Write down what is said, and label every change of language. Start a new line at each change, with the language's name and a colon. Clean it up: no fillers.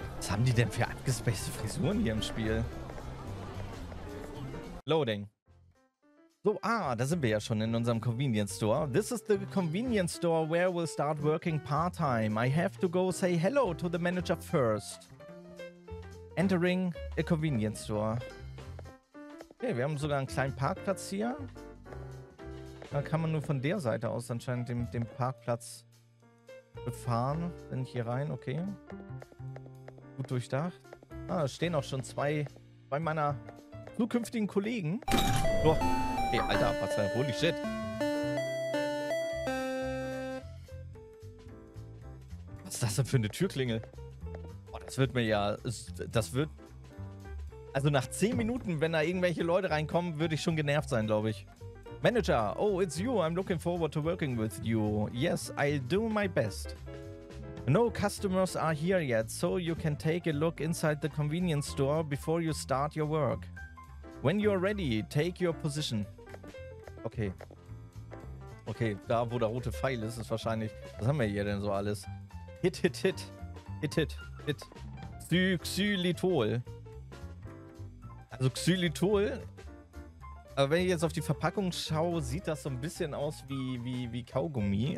German: haben die denn für abgespeckte Frisuren hier im Spiel? Loading. So, da sind wir ja schon in unserem Convenience Store.
English: This is the Convenience Store where we'll start working part-time. I have to go say hello to the manager first. Entering a Convenience Store.
German: Okay, wir haben sogar einen kleinen Parkplatz hier. Da kann man nur von der Seite aus anscheinend den Parkplatz befahren. Bin ich hier rein, okay. Gut durchdacht. Da stehen auch schon zwei meiner zukünftigen Kollegen. Oh. Hey, Alter, was war?
English: Holy shit.
German: Was ist das denn für eine Türklingel? Boah, das wird mir ja... Das wird... Also nach 10 Minuten, wenn da irgendwelche Leute reinkommen, würde ich schon genervt sein, glaube ich.
English: Manager, oh, it's you. I'm looking forward to working with you. Yes, I'll do my best. No customers are here yet, so you can take a look inside the convenience store before you start your work. When you're ready, take your position. Okay.
German: Okay, da wo der rote Pfeil ist, ist wahrscheinlich... Was haben wir hier denn so alles? Hit, hit, hit. Hit, hit, hit. Xylitol. Also Xylitol. Aber wenn ich jetzt auf die Verpackung schaue, sieht das so ein bisschen aus wie Kaugummi.